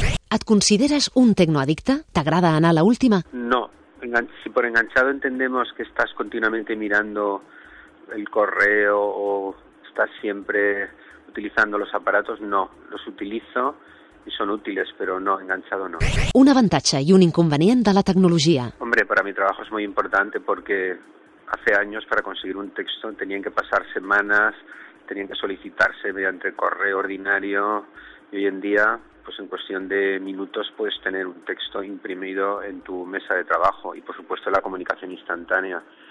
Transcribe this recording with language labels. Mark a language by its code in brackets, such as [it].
[ca] ¿Et consideres un tecnoaddicte? ¿T'agrada anar a la última? [es] No. Si por enganchado entendemos que estás continuamente mirando el correo o estás siempre utilizando los aparatos, no. Los utilizo y son útiles, pero no, enganchado no. [ca] Un avantatge i un inconvenient de la tecnologia. [es] Hombre, para mi trabajo es muy importante porque hace años para conseguir un texto tenían que pasar semanas, tenían que solicitarse mediante correo ordinario y hoy en día, pues en cuestión de minutos puedes tener un texto imprimido en tu mesa de trabajo y por supuesto la comunicación instantánea.